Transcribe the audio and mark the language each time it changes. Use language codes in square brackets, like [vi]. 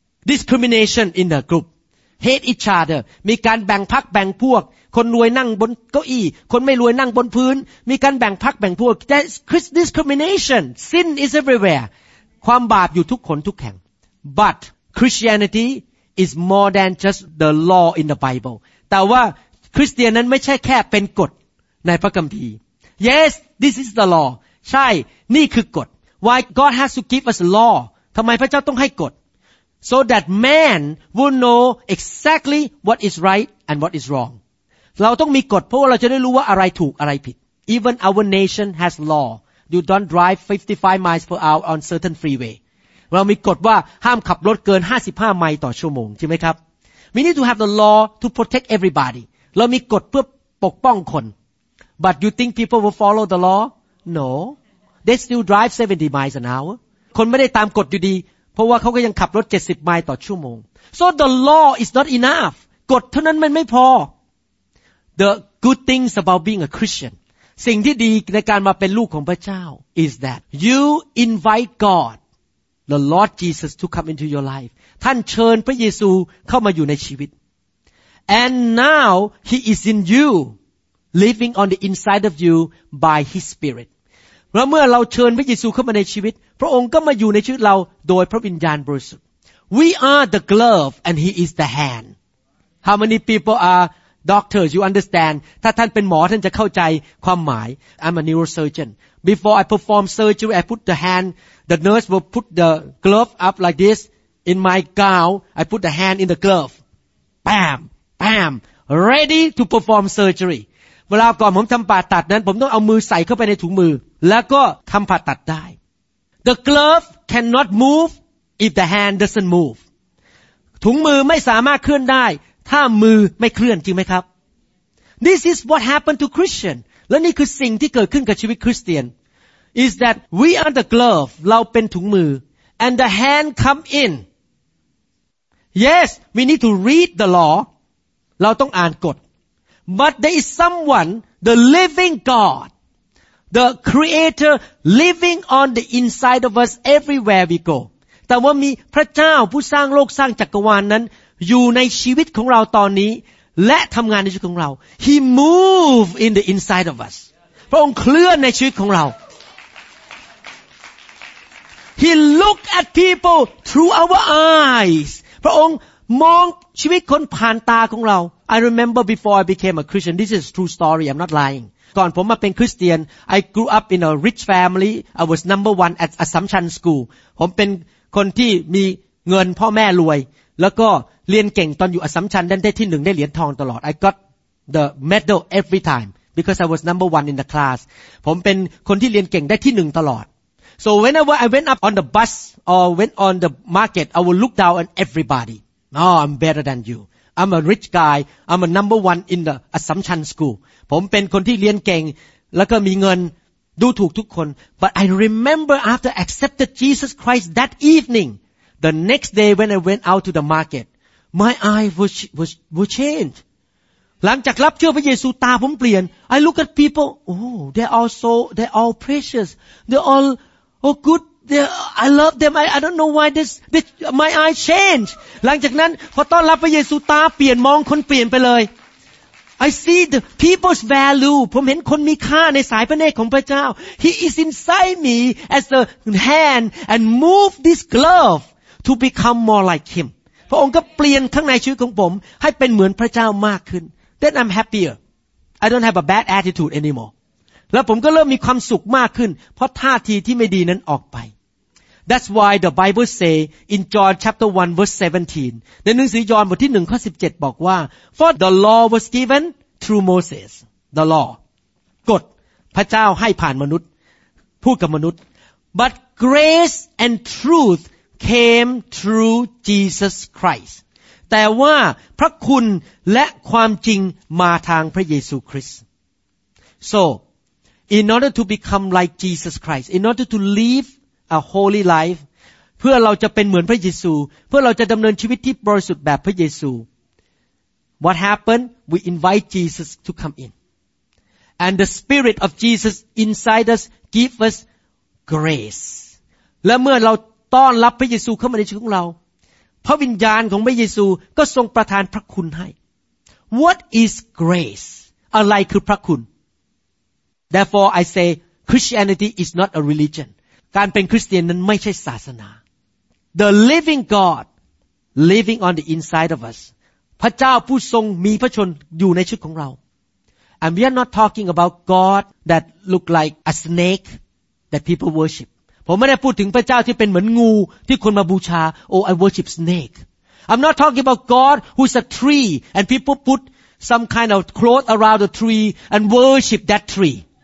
[en] discrimination in the group hate each other [th] มีการแบ่งพรรคแบ่งพวกคนรวยนั่งบนเก้าอี้คนไม่รวยนั่งบนพื้นมีการแบ่งพรรคแบ่งพวก [en] That's discrimination sin is everywhere [th] ความบาปอยู่ทุกคนทุกแห่ง [en] butChristianity is more than just the law in the Bible. [th] แต่ว่าคริสเตียนนั้นไม่ใช่แค่เป็นกฎในพระคัมภีร์ [en] Yes, this is the law. [th] ใช่นี่คือกฎ [en] Why God has to give us law? [th] ทำไมพระเจ้าต้องให้กฎ [en] So that man will know exactly what is right and what is wrong. [th] เราต้องมีกฎเพราะว่าเราจะได้รู้ว่าอะไรถูกอะไรผิด [en] Even our nation has law. You don't drive 55 miles per hour on certain freeway. [th] เรามีกฎว่าห้ามขับรถเกิน55ไมล์ต่อชั่วโมงใช่ไหมครับ [en] We need to have the law to protect everybody [th] เรามีกฎเพื่อปกป้องคน [en] But you think people will follow the law? No They still drive 70 miles an hour [th] คนไม่ได้ตามกฎอยู่ดีเพราะว่าเขาก็ยังขับรถ70ไมล์ต่อชั่วโมง [en] So the law is not enough [th] กฎเท่านั้นมันไม่พอ [en] The good things about being a Christian [th] สิ่งที่ดีในการมาเป็นลูกของพระเจ้า [en] is that you invite GodThe Lord Jesus to come into your life. [th] ท่านเชิญพระเยซูเข้ามาอยู่ในชีวิต [en] And now he is in you, living on the inside of you by his spirit. [th] แล้วเมื่อเราเชิญพระเยซูเข้ามาในชีวิตพระองค์ก็มาอยู่ในชีวิตเราโดยพระวิญญาณบริสุทธิ์ [en] We are the glove and he is the hand. How many people are doctors? You understand? [th] ถ้าท่านเป็นหมอท่านจะเข้าใจความหมาย [en] I'm a neurosurgeon. Before I perform surgery, I put the handThe nurse will put the glove up like this in my gown. I put the hand in the glove. Bam, bam. Ready to perform surgery. [th] เวลาก่อนผมทำผ่าตัดนั้นผมต้องเอามือใส่เข้าไปในถุงมือแล้วก็ทำผ่าตัดได้ [en] The glove cannot move if the hand doesn't move. [th] ถุงมือไม่สามารถเคลื่อนได้ถ้ามือไม่เคลื่อนจริงไหมครับ [en] This is what happened to Christian. [th] และนี่คือสิ่งที่เกิดขึ้นกับชีวิตคริสเตียน [en] Is that we are the glove, [th] เราเป็นถุงมือ [en] and the hand come in. Yes, we need to read the law. [th] เราต้องอ่านกฎ [en] But there is someone, the living God, the creator living on the inside of us everywhere we go. [th] แต่ว่ามีพระเจ้าผู้สร้างโลกสร้างจักรวาล นั้นอยู่ในชีวิตของเราตอนนี้และทำงานในชีวิตของเรา [en] He move in the inside of us. [th] พระองค์เคลื่อนในชีวิตของเรา [en] He look at people through our eyes. [th] พระองค์มองชีวิตคนผ่านตาของเรา [en] I remember before I became a Christian. This is a true story. I'm not lying. [th] ก่อนผมมาเป็นคริสเตียน [en] I grew up in a rich family. I was number one at Assumption School. [th] ผมเป็นคนที่มีเงินพ่อแม่รวยแล้วก็เรียนเก่งตอนอยู่ Assumption ได้ที่หนึ่งได้เหรียญทองตลอด [en] I got the medal every time because I was number one in the class. [th] ผมเป็นคนที่เรียนเก่งได้ที่หนึ่งตลอด [en] So whenever I went up on the bus or went on the market, I would look down on everybody. Oh, I'm better than you. I'm a rich guy. I'm a number one in the Assumption School. [th] ผมเป็นคนที่เรียนเก่งแล้วก็มีเงินดูถูกทุกคน [en] But I remember after accepted Jesus Christ that evening, the next day when I went out to the market, my eye was changed. [th] หลังจากรับเชื่อพระเยซูตาผมเปลี่ยน [en] I look at people. Oh, they're all precious. They're allOh good, I love them. I don't know why this my eye changed. [th] หลังจากนั้นพอต้อนรับพระเยซูตาเปลี่ยนมองคนเปลี่ยนไปเลย [en] I see the people's value. [th] ผมเห็นคนมีค่าในสายพระเนตรของพระเจ้า [en] He is inside me as the hand and move this glove to become more like him. [th] พระองค์ก็เปลี่ยนข้างในชีวิตของผมให้เป็นเหมือนพระเจ้ามากขึ้น [en] Then I'm happier. I don't have a bad attitude anymore. [th] แล้วผมก็เริ่มมีความสุขมากขึ้นเพราะท่าทีที่ไม่ดีนั้นออกไป [en] That's why the Bible say in John chapter 1 verse 17 [th] ในหนังสือยอห์นบทที่1ข้อ17บอกว่า [en] For the law was given through Moses the law [th] กฎ พระเจ้าให้ผ่านมนุษย์พูดกับมนุษย์ [en] but grace and truth came through Jesus Christ [th] แต่ว่าพระคุณและความจริงมาทางพระเยซูคริสต์ [en] so in order to become like Jesus Christ in order to live a holy life [th] เพื่อเราจะเป็นเหมือนพระเยซูเพื่อเราจะดำเนินชีวิตที่บริสุทธิ์แบบพระเยซู [en] What happened? We invite Jesus to come in. And the Spirit of Jesus inside us gives us grace. [th] และเมื่อเราต้อนรับพระเยซูเข้ามาในชีวิตของเราพระวิญญาณของพระเยซูก็ทรงประทานพระคุณให้ [en] What is grace? [th] อะไรคือพระคุณ [en] Therefore I say Christianity is not a religion. การเป็นคริสเตียนนั้นไม่ใช่ศาสนา The living God living on the inside of us [th] พระเจ้าผู้ทรงมีพระชนอยู่ในชีวิตของเรา [en] And we are not talking about God that look like a snake that people worship [th] ผมไม่ได้พูดถึงพระเจ้าที่เป็นเหมือนงูที่คนมาบูชา [en] Oh I worship snake I'm not talking about God who's a tree and people put some kind of cloth around the tree and worship that tree